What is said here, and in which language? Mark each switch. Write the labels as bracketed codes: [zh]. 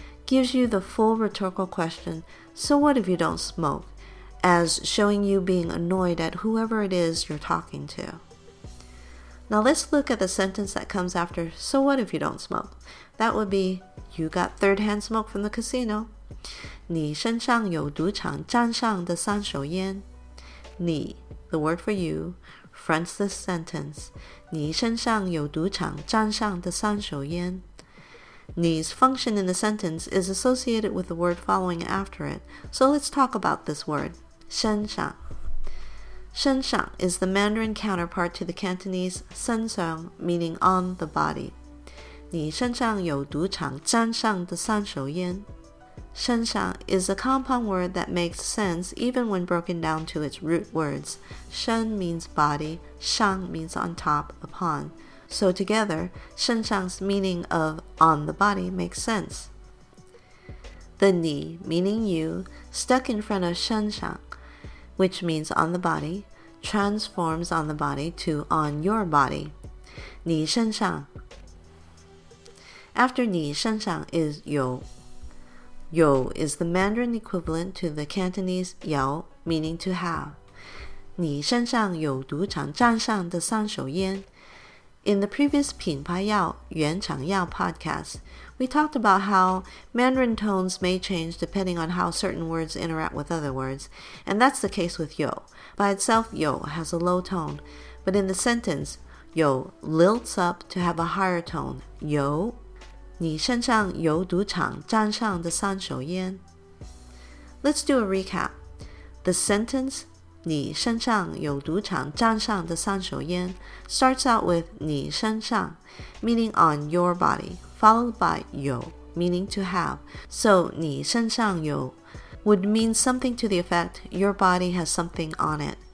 [en] gives you the full rhetorical question, so what if you don't smoke, as showing you being annoyed at whoever it is you're talking to. Now let's look at the sentence that comes after, so what if you don't smoke? That would be, you got third-hand smoke from the casino. [zh] 你身上有赌场沾上的三手烟。 [en] 你, the word for you, fronts this sentence. [zh] 你身上有赌场沾上的三手烟。 [en] Ni's function in the sentence is associated with the word following after it, so let's talk about this word, [zh] 身上. [en] 身上 is the Mandarin counterpart to the Cantonese 身上, meaning on the body. [zh] 你身上有赌场沾上的三手烟. [en] 身上 is a compound word that makes sense even when broken down to its root words. 身 means body, 上 means on top, upon. So together, 身上's meaning of on the body makes sense. The ni, meaning you, stuck in front of shen shang, which means on the body, transforms on the body to on your body. Ni shen shang. After ni shen shang is you. You is the Mandarin equivalent to the Cantonese yao, meaning to have. [zh] 你身上有赌场站上的三手烟。 [en] In the previous 品牌药原厂药 podcast, we talked about how Mandarin tones may change depending on how certain words interact with other words, and that's the case with 有. By itself, 有 has a low tone, but in the sentence, 有 lilts up to have a higher tone. [zh] 有你身上有赌场站上的三手烟。 [en] Let's do a recap. The sentence, [zh] 你身上有赌场沾上的三手烟 [en] starts out with 你身上 meaning on your body, followed by 有 meaning to have. So 你身上有 would mean something to the effect your body has something on it.